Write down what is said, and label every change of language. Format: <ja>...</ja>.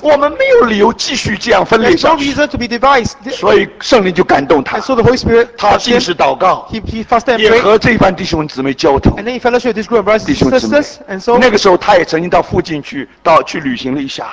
<zh>我们没有理由继续这样分裂下去。</zh> <en>There's no reason to be divided.</en> <zh>所以圣灵就感动他。</zh> <en>And so the Holy Spirit.</en> <zh>他进食祷告。</zh> <en>He fasted and prayed.</en> <zh>也和这一帮弟兄姊妹交通。</zh> <en>And then he fellowshiped this group of brothers and sisters.</en> <zh>弟兄姊妹。</zh> <en>And so</en> <zh>那个时候他也曾经到附近去，去旅行了一下。</zh>